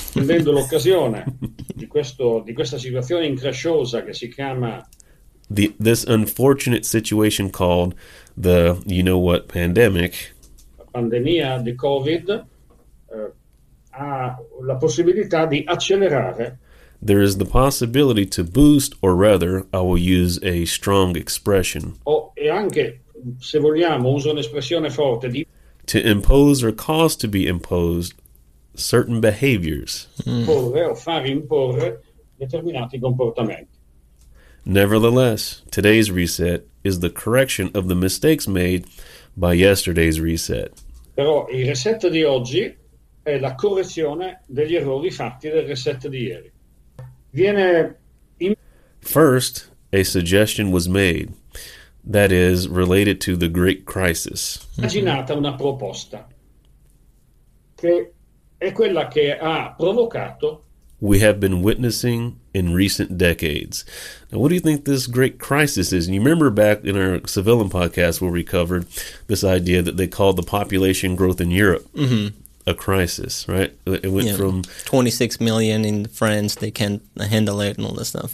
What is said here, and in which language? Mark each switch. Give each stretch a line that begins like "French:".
Italian: Prendendo l'occasione di questa situazione incresciosa che si chiama...
English: This unfortunate situation called the, you know what, pandemic.
Italian: La pandemia di COVID ha la possibilità di accelerare.
English: There is the possibility to boost, or rather, I will use a strong expression.
Italian: E anche, se vogliamo, uso un'espressione forte di...
English: To impose or cause to be imposed certain behaviors.
Italian: Imporre o far imporre determinati comportamenti.
English: Nevertheless, today's reset is the correction of the mistakes made by yesterday's reset.
Italian: Però il reset di oggi è la correzione degli errori fatti del reset di ieri. Viene in...
English: First, a suggestion was made, that is, related to the Great Crisis.
Italian: Immaginata una proposta, che è quella che ha provocato...
English: We have been witnessing in recent decades. Now, what do you think this great crisis is? And you remember back in our Civilian podcast where we covered this idea that they called the population growth in Europe mm-hmm. a crisis, right? It went from 26 million in France, they can't handle it and all this stuff.